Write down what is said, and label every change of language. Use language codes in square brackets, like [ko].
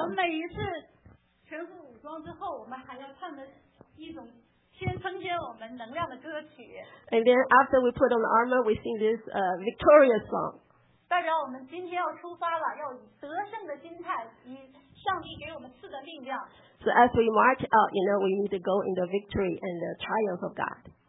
[zh] 我每一次全副武装之后，我们还要唱的一种先增添我们能量的歌曲。 [en] And then after we put on the armor, we sing this victorious song. [zh] 代表我们今天要出发了，要以得胜的心态，以上帝给我们赐的力量。 [en] So as we march out, you know, we need to go in the victory and the triumph of God.